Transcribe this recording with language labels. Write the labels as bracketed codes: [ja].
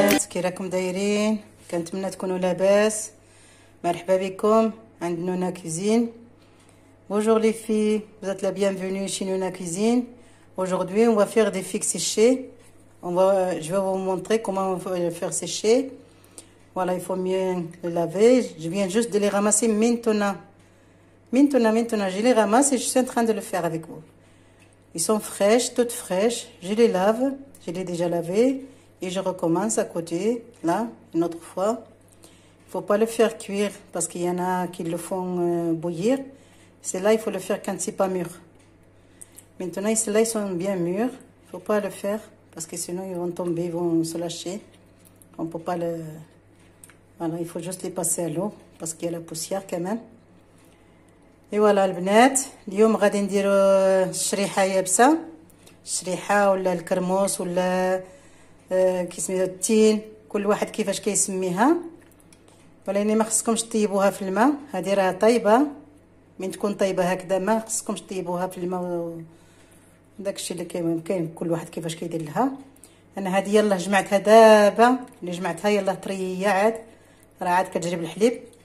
[ar] كي راكم دايرين؟ كنتمنى تكونوا لاباس. مرحبا بكم عند نونا كوزين. [fr] بونجور لي في، vous êtes la bienvenue chez Nona Cuisine. Aujourd'hui, on va faire des figues séchées. Je vais vous montrer comment on va les faire sécher. Voilà, il faut bien les laver. Je viens juste de les ramasser maintenant. Maintenant, je les ramasse et je suis en train de le faire avec vous. Ils sont fraîches, toutes fraîches. Je les lave, je les ai déjà lavées. Et je recommence à côté, là, une autre fois. Il ne faut pas le faire cuire parce qu'il y en a qui le font bouillir. C'est là, il faut le faire quand c'est pas mûr. Maintenant, ceux-là, ils sont bien mûrs. Il ne faut pas le faire parce que sinon, ils vont tomber, ils vont se lâcher. On ne peut pas le... Voilà, il faut juste les passer à l'eau parce qu'il y a la poussière quand même. Et voilà, les bnettes. Aujourd'hui, on va faire une chriha yabsa. Chriha ou le kermos ou le... [ar] كي سميتها التين، كل واحد كيفاش كيسميها. ولاني ما خصكمش طيبوها في الماء، هذه راه طيبه من تكون طيبه هكذا، ما خصكمش طيبوها في الماء. داك الشيء اللي كاين ممكن كل واحد كيفاش كيدير لها. انا هذه يلاه جمعتها دابا، اللي جمعتها يلاه طريه عاد، راه عاد كتجري بالحليب.